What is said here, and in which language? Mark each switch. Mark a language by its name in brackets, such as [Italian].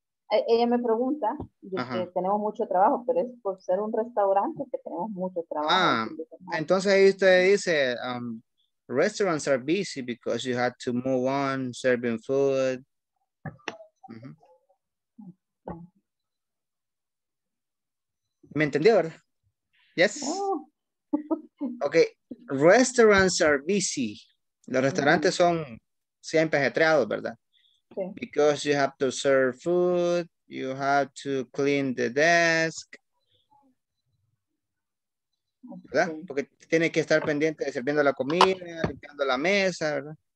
[Spanish] Ella me pregunta, que tenemos mucho trabajo, pero es por ser un restaurante que tenemos mucho trabajo. Entonces ahí usted dice, [English] restaurants are busy because you had to move on serving food. [Spanish] ¿Me entendió, verdad? Yes. Oh. Okay. [English] Restaurants are busy. [Spanish] Los restaurantes son siempre ajetreados, ¿verdad? Okay. [English] Because you have to serve food, you have to clean the desk. [Spanish] ¿verdad? Porque tiene que estar pendiente de sirviendo la comida, limpiando la mesa, ¿verdad?